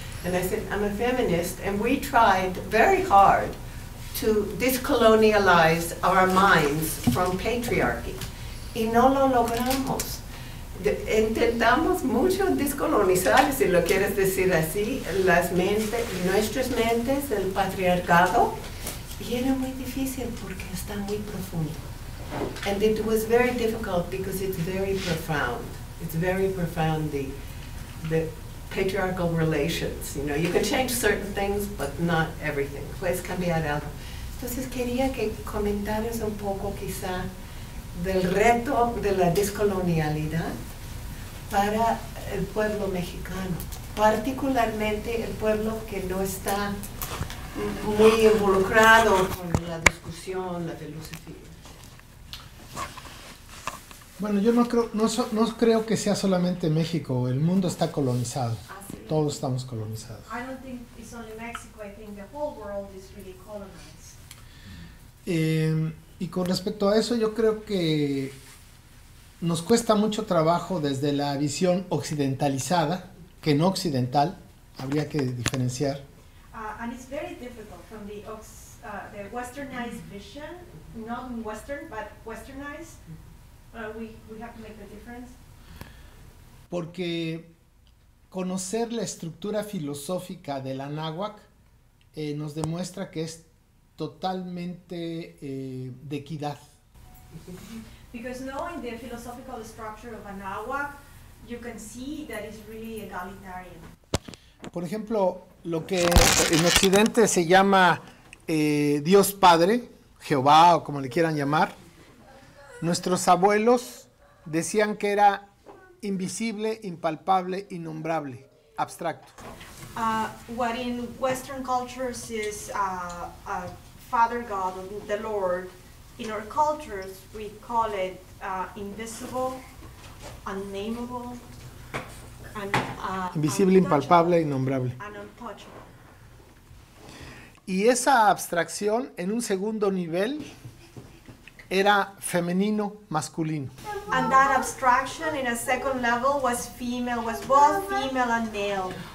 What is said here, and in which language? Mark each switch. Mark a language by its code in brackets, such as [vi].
[en] And I said, I'm a feminist, and we tried very hard to decolonialize our minds from patriarchy. [es] Y no lo logramos. Intentamos mucho descolonizar, si lo quieres decir así, las mentes, nuestras mentes, el patriarcado, y era muy difícil porque está muy profundo. [en] And it was very difficult because it's very profound. It's very profound, the patriarchal relations. You know, you can change certain things, but not everything. [es] Puedes cambiar algo. Entonces quería que comentaras un poco quizá del reto de la descolonialidad para el pueblo mexicano, particularmente el pueblo que no está muy involucrado con la discusión, la filosofía. Bueno, yo no creo que sea solamente México, el mundo está colonizado. Todos estamos colonizados. [en] I don't think it's only Mexico, I think the whole world is really colonized. [es] Y con respecto a eso, yo creo que nos cuesta mucho trabajo desde la visión occidentalizada, que no occidental, habría que diferenciar. [en] And it's very difficult from the westernized vision, non-western, but westernized. We have to make the difference. [es] Porque conocer la estructura filosófica del Anáhuac nos demuestra que es totalmente de equidad. [en] Because knowing the philosophical structure of Anáhuac, you can see that it's really egalitarian. [es] Por ejemplo, lo que en Occidente se llama Dios Padre, Jehová o como le quieran llamar, nuestros abuelos decían que era invisible, impalpable, innombrable, abstracto. [en] What in Western cultures is a Father God, the Lord, in our cultures we call it invisible, unnameable, and [es] invisible, impalpable, innombrable. [en] And untouchable. [es] Y esa abstracción en un segundo nivel era femenino, masculino. [en] And that abstraction in a second level was female, was both female and male.